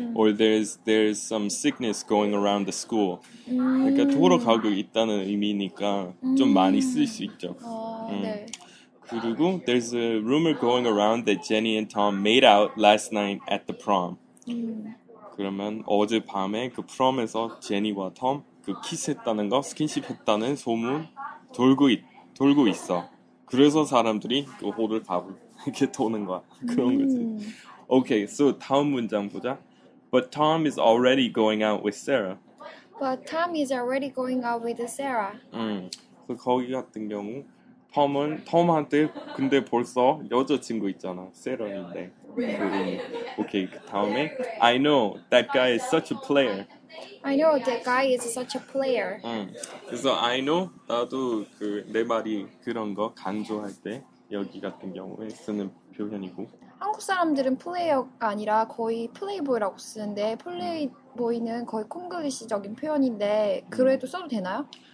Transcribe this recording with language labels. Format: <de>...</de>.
<en>Or there's some sickness going around the school.</en> <ko>그러니까 돌아가고 있다는 의미니까 좀 많이 쓸 수 있죠. 네. 그리고</ko> <en>there's a rumor going around that Jenny and Tom made out last night at the prom.</en> <ko>그러면 어젯밤에 그 프롬에서 제니와 톰 그 키스했다는 거, 스킨십 했다는 소문 돌고 있어. 그래서 사람들이 그 호를 바로 이렇게 도는 거야. 그런 거지.</ko> <en>Okay, so</en> <ko>다음 문장 보자.</ko> <en>But Tom is already going out with Sarah. But Tom is already going out with Sarah.</en> <ko>그 거기 같은 경우, Tom한테 근데 벌써 여자친구 있잖아, Sarah인데.</ko> <en>Okay,</en> <ko>다음에</ko> <en>I know that guy is such a player. I know that guy is such a player.</en> <ko>그래서</ko> <en>I know</en> <ko>나도 그 내 말이 그런 거 강조할 때 여기 같은 경우에 쓰는 표현이고. 한국 사람들은 플레이어가 아니라 거의 플레이보이라고 쓰는데 플레이보이는 거의 콩글리시적인 표현인데 그래도 써도 되나요?</ko>